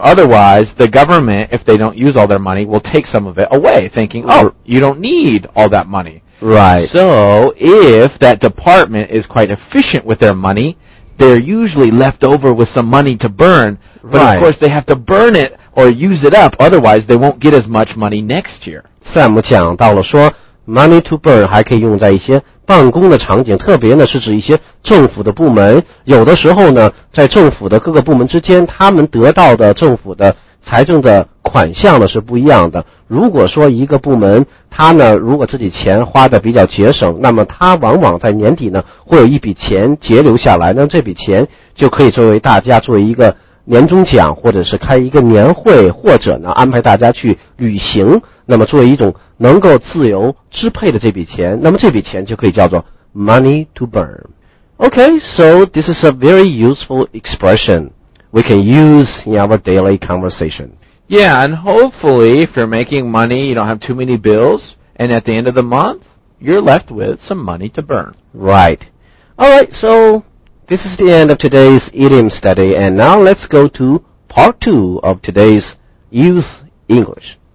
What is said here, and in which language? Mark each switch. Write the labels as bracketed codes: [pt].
[en] Otherwise, the government, if they don't use all their money, will take some of it away, thinking, oh, you don't need all that money. Right. So if that department is quite efficient with their money, they're usually left over with some money to burn, but right. of course they have to burn it or use it up, otherwise they won't get as much money next year. [zh] Sam 讲到了说 money to burn 还可以用在一些办公的场景，特别呢是指一些政府的部门，有的时候呢在政府的各个部门之间，他们得到的政府的财政的款项呢是不一样的。如果说一个部门他呢如果自己钱花的比较节省，那么他往往在年底呢会有一笔钱截留下来，那这笔钱就可以作为大家作为一个年终奖，或者是开一个年会，或者呢安排大家去旅行，那么作为一种能够自由支配的这笔钱，那么这笔钱就可以叫做 [en] money to burn. Okay, so this is a very useful expression we can use in our daily conversation. Yeah, and hopefully if you're making money, you don't have too many bills, and at the end of the month, you're left with some money to burn. Right. Alright, so this is the end of today's idiom study, and now let's go to part two of today's Youth English.